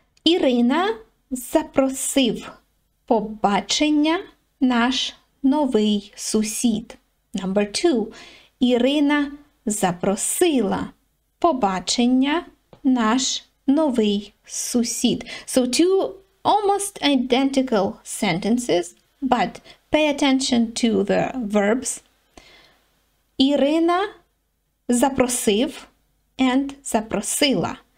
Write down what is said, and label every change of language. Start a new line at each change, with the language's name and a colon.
Ukrainian: Ірина запросив побачення наш новий сусід.
English: Number two.
Ukrainian: Ірина запросила побачення наш новий сусід.
English: So two almost identical sentences, but pay attention to the verbs.
Ukrainian: Ірина запросив and запросила.